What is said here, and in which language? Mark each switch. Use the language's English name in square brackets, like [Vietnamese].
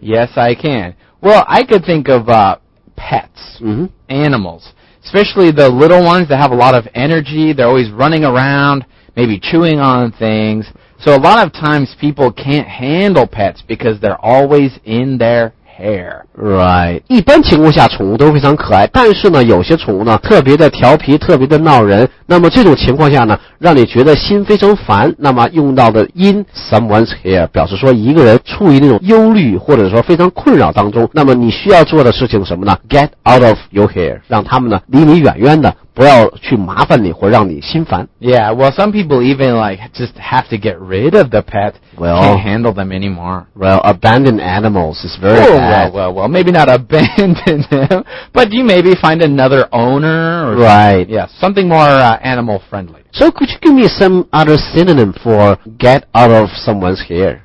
[English] Yes I can Well I could think of pets、 mm-hmm. animalsEspecially the little ones that have a lot of energy, they're always running around, maybe chewing on things. So a lot of times people can't handle pets because they're always in their hair. Right. [Chinese] 一般情况下宠物都非常可爱，但是呢，有些宠物呢，特别的调皮，特别的闹人。那么这种情况下呢，让你觉得心非常烦。那么用到的 [English] in someone's hair [Chinese] 表示说一个人处于那种忧虑或者说非常困扰当中。那么你需要做的事情什么呢 ？ [English] Get out of your hair， [Chinese] 让他们呢离你远远的，不要去麻烦你或让你心烦。 [English] Yeah, well, some people even like just have to get rid of the pet. Well, can't handle them anymore. Well, abandoned animals is very bad. Well, maybe not abandon them, but you maybe find another owner. Right. Yeah, something more animal friendly. So could you give me some other synonym for get out of someone's hair?